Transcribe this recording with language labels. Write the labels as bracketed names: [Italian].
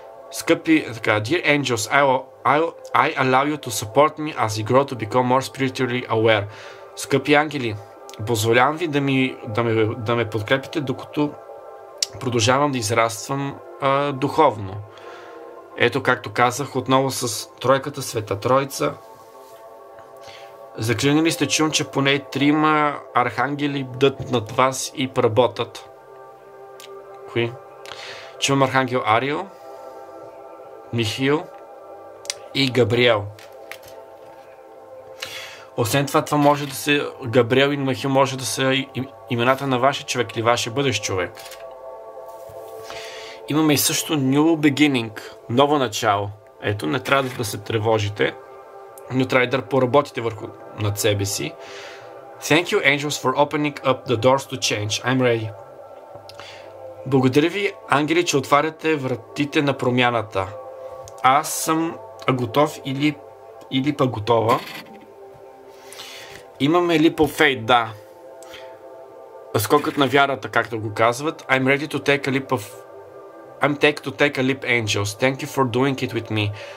[Bulgarian] Скъпи, така, [English] Dear Angels, I allow you to support me as I grow to become more spiritually aware. [Bulgarian] Скъпи ангели, позволявам ви да ме подкрепите, докато продължавам да израствам духовно. Ето, както казах, отново с тройката, Света Троица. Заклинили сте, чувам, че поне трима архангели бдат над вас и пработат. Кои? Чувам архангел Ариел, Михаил и Габриел. Освен това, това може да се... Габриел и Михаил може да са имената на вашия човек или вашия бъдещ човек. Имаме и също New Beginning, ново начало. Ето, не трябва да се тревожите, но трябва да поработите върху над себе си. [English] Thank you, angels, for opening up the doors to change. I'm ready. [Bulgarian] Благодаря ви, ангели, че отваряте вратите на промяната. Аз съм готов или пък готова. Имаме [English] leap of faith, [Bulgarian] да. Скокът на вярата, както го казват. [English] I'm ready to take a leap of... I'm ready to take a leap, angels. Thank you for doing it with me.